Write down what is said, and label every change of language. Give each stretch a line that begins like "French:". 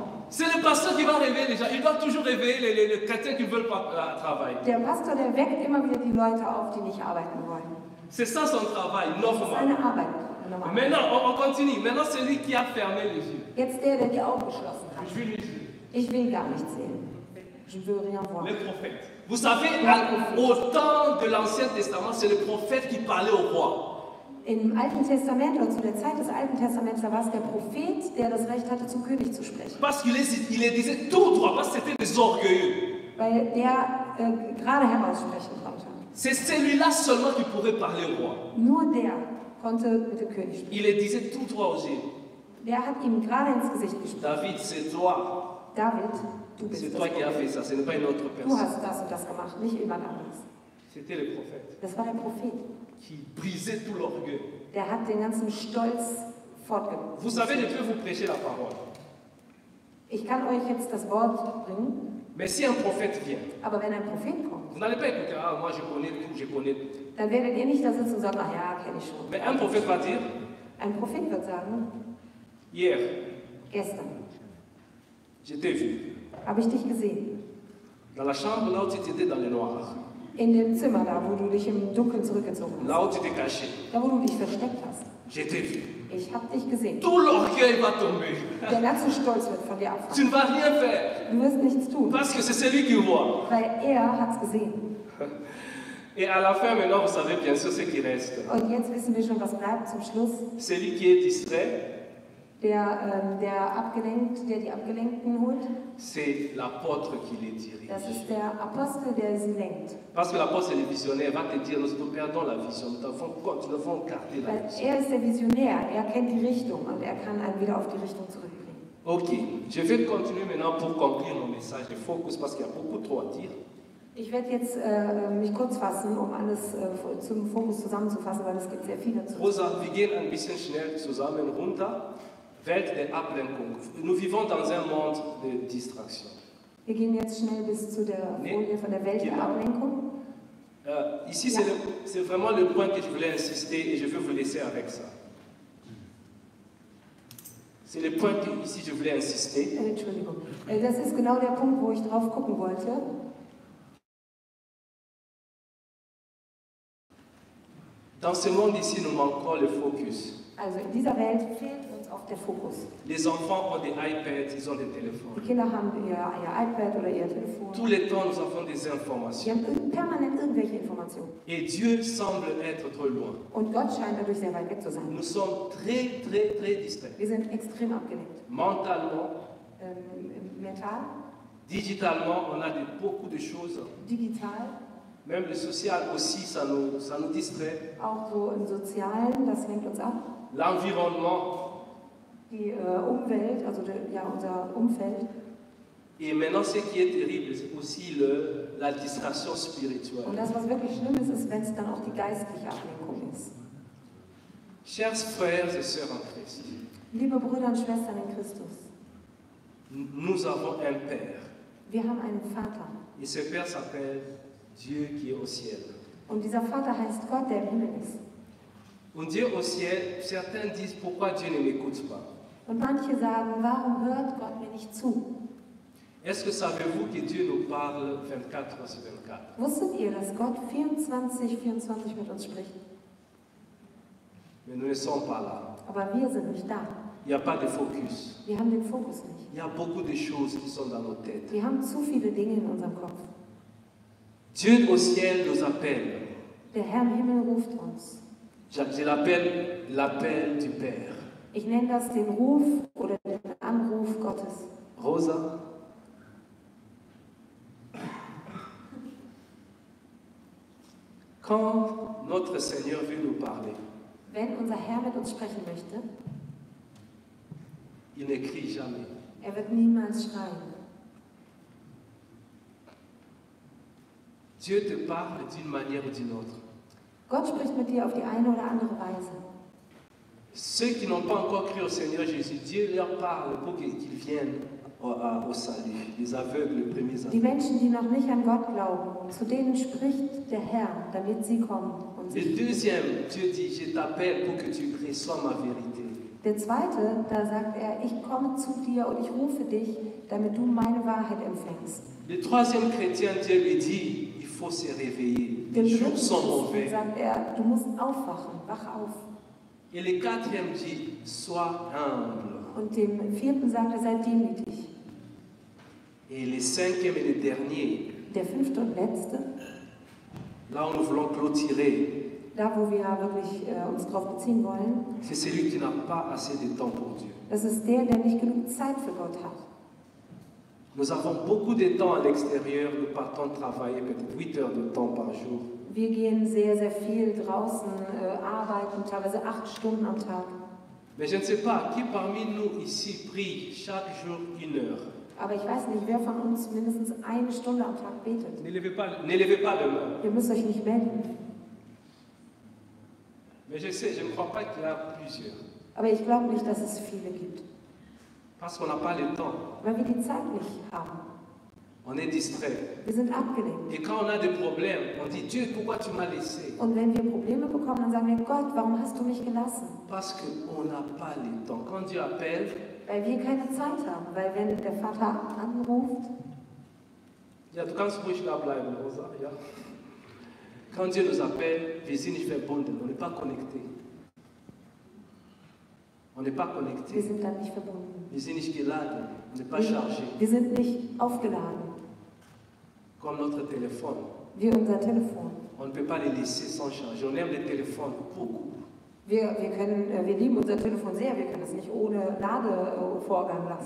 French: C'est le pasteur qui va réveiller les gens. Il doit toujours réveiller les chrétiens qui ne veulent pas travailler.
German: Der Pastor, der weckt immer wieder die Leute auf, die nicht arbeiten wollen.
French: C'est ça son travail, normal.
German: Seine Arbeit,
French: normal. Maintenant, on continue. Maintenant, c'est lui qui a fermé les yeux.
German: Jetzt der die Augen geschlossen hat.
French: Je veux
German: nicht sehen. Ich will gar nicht sehen.
French: Je veux rien voir. Le prophète. Vous savez, au temps de l'Ancien Testament, c'est le prophète qui parlait au roi.
German: Im Alten Testament oder zu der Zeit des Alten Testaments war es der Prophet, der das Recht hatte, zum König zu sprechen.
French: Parce qu'il est, il est disait tout droit, parce que c'était des orgueilleux.
German: Weil der gerade heraussprechen konnte.
French: C'est celui-là seulement qui pourrait parler au roi.
German: Nur der konnte mit dem König sprechen.
French: Il est disait tout droit aussi.
German: Der hat ihm gerade ins Gesicht gesprochen.
French: David, c'est toi.
German: David, du bist
French: c'est toi qui a fait ça, ce n'est pas une autre personne.
German: Du hast das und das gemacht, nicht jemand anderes.
French: C'était le prophète.
German: Das war der Prophet.
French: Qui brisait tout l'orgueil.
German: Der hat den ganzen Stolz fortgebracht.
French: Vous savez, je peux vous prêcher la parole.
German: Ich kann euch jetzt das Wort bringen.
French: Mais si un prophète vient.
German: Aber wenn ein Prophet kommt.
French: Vous n'allez pas écouter, ah, moi je connais tout, je connais tout.
German: Dann werdet ihr nicht da sitzen und sagen, ach ja, kenne ich schon.
French: Mais un prophète va dire.
German: Ein Prophet wird sagen.
French: Hier.
German: Gestern.
French: Je t'ai vu.
German: Habe ich dich gesehen.
French: Dans la chambre, là où tu étais dans le noir.
German: In dem Zimmer, da wo du dich im Dunkeln zurückgezogen hast. Da wo du dich versteckt hast. Ich hab dich gesehen. Der ganze Stolz wird von dir abfallen. Du wirst nichts tun.
French: Parce que c'est celui qui voit.
German: Weil er hat's gesehen.
French: Et à la fin, maintenant, vous savez bien sûr ce qui reste.
German: Und jetzt wissen wir schon, was bleibt zum Schluss.
French: Celui qui est distrait.
German: Der die Abgelenkten holt,
French: c'est l'apôtre qui les dirige.
German: Das ist der Apostel, der sie lenkt.
French: Parce que l'apôtre est le visionnaire, va te dire, nous perdons la vision, nous devons garder la vision.
German: Er ist der Visionär, er kennt die Richtung und er kann einen wieder auf die Richtung zurückbringen.
French: Ok, je vais continuer maintenant pour conclure mon message de focus, parce qu'il y a beaucoup trop à dire.
German: Ich werde jetzt mich kurz fassen, um alles zum Fokus zusammenzufassen, weil es gibt sehr viel dazu. Rosa, wir gehen ein bisschen schnell zusammen runter. Welt der Ablenkung.
French: Nous vivons dans un monde de distraction.
German: Wir gehen jetzt schnell bis zu der Folie von der Welt der Ablenkung.
French: Ici, c'est, c'est vraiment le point que je voulais insister et je veux vous laisser avec ça. C'est le point que ici je voulais insister.
German: Entschuldigung. Das ist genau der Punkt, wo ich drauf gucken wollte.
French: Dans ce monde ici, nous manquons le focus.
German: Also in dieser Welt fehlt uns auch der Fokus.
French: Les enfants ont des iPads, ils ont des téléphones.
German: Die Kinder haben ihr iPad oder ihr Telefon.
French: Tous les temps, nous avons des informations.
German: Wir haben permanent irgendwelche Informationen.
French: Et Dieu semble être trop loin.
German: Und Gott scheint dadurch sehr weit weg zu sein.
French: Nous sommes très, très, très distraits.
German: Wir sind extrem abgelenkt.
French: Mentalement.
German: Mental.
French: Digitalement, on a beaucoup de choses.
German: Digital.
French: Même le social aussi, ça nous distrait.
German: Auch so im Sozialen, das lenkt uns ab.
French: L'environnement.
German: Die Umwelt, also unser Umfeld.
French: Et maintenant, ce qui est terrible, c'est aussi la distraction spirituelle.
German: Und das, was wirklich schlimm ist, ist, wenn es dann auch die geistliche Ablenkung ist.
French: Chers frères et sœurs en Christ.
German: Liebe Brüder und Schwestern in Christus.
French: Nous avons un Père.
German: Wir haben einen Vater.
French: Et ce Père s'appelle Dieu qui est au ciel.
German: Und dieser Vater heißt Gott, der im Himmel ist. Und
French: Dieu au ciel, certains disent pourquoi Dieu ne m'écoute pas.
German: Und manche sagen, warum hört Gott mir nicht zu?
French: Est-ce que savez-vous que Dieu nous parle 24/24?
German: Wusstet ihr, dass Gott 24/24 mit uns spricht?
French: Mais nous ne sommes pas là.
German: Aber wir sind nicht da.
French: Il y a pas de focus.
German: Wir haben den Fokus nicht.
French: Il y a beaucoup de choses qui sont dans nos têtes.
German: Wir haben zu viele Dinge in unserem Kopf.
French: Dieu au ciel nous appelle.
German: Der Herr im Himmel ruft uns.
French: Je l'appelle l'appel du Père.
German: Ich nenne das den Ruf oder den Anruf Gottes.
French: Rosa. Quand notre Seigneur veut nous parler,
German: wenn unser Herr mit uns sprechen möchte,
French: il ne crie jamais.
German: Er wird niemals schreien.
French: Dieu te parle d'une manière ou d'une autre.
German: Gott spricht mit dir auf die eine oder andere Weise.
French: Ceux qui n'ont pas encore cru au Seigneur Jésus, Dieu leur parle pour qu'ils viennent au salut. Les aveugles, les premiers aveugles.
German: Die Menschen, die noch nicht an Gott glauben, zu denen spricht der Herr, damit sie kommen und sich.
French: Le deuxième, Dieu dit, je t'appelle pour que tu reçois ma vérité.
German: Der zweite, da sagt er, ich komme zu dir und ich rufe dich, damit du meine Wahrheit empfängst.
French: Le troisième chrétien, Dieu lui dit, il faut se réveiller.
German: Den dritten sagt er, du musst aufwachen, wach auf.
French: Et le quatrième dit, sois humble.
German: Und dem vierten sagt er, sei demütig.
French: Et le cinquième et le dernier.
German: Der fünfte und letzte.
French: Là où nous voulons clôturer.
German: Da, wo wir wirklich uns drauf beziehen wollen.
French: C'est celui qui n'a pas assez de temps pour Dieu.
German: Das ist der, der nicht genug Zeit für Gott hat.
French: Nous avons beaucoup de temps à l'extérieur, nous partons travailler peut-être 8 heures de temps par jour.
German: Wir gehen sehr, sehr viel draußen arbeiten, teilweise 8 Stunden am Tag.
French: Mais je ne sais pas, qui parmi nous ici prie chaque jour une heure?
German: Aber ich weiß nicht, wer von uns mindestens eine Stunde am Tag betet.
French: Ne levez pas le main.
German: Ihr müsst euch nicht melden.
French: Mais je sais, je ne crois pas qu'il y a plusieurs.
German: Aber ich glaube nicht, dass es viele gibt.
French: Parce qu'on n'a pas le temps.
German: Weil wir die Zeit nicht haben.
French: On est distrait.
German: Wir sind abgelenkt.
French: Et quand on a des problèmes, on dit, Dieu, pourquoi tu m'as laissé?
German: Und wenn wir Probleme bekommen, dann sagen wir, Gott, warum hast du mich gelassen?
French: Parce que on n'a pas le temps. Quand Dieu appelle,
German: weil wir keine Zeit haben, weil wenn der Vater anruft, ja, du kannst ruhig da bleiben, Rosa, ja.
French: Quand Dieu nous appelle,
German: wir sind nicht verbunden,
French: on n'est pas connecté. On n'est pas connecté.
German: Wir sind dann nicht verbunden. Wir sind nicht geladen,
French: on n'est pas chargé.
German: Wir sind nicht aufgeladen.
French: Comme notre téléphone.
German: Wie unser Telefon.
French: On ne peut pas les laisser sans charge. On aime les téléphones beaucoup.
German: Wir lieben unser Telefon sehr. Wir können es nicht ohne Ladevorgang lassen.